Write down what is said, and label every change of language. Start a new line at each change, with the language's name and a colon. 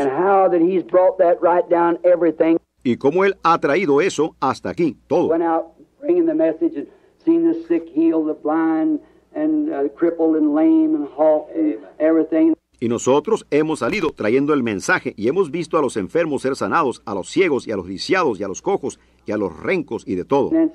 English: And how that he's brought that right down everything.
Spanish: Y cómo él ha traído eso hasta aquí, todo.
English: Went out bringing the message and seen the sick heal, the blind and crippled and lame and halt and everything.
Spanish: Y nosotros hemos salido trayendo el mensaje y hemos visto a los enfermos ser sanados, a los ciegos y a los lisiados y a los cojos y a los rencos y de todo.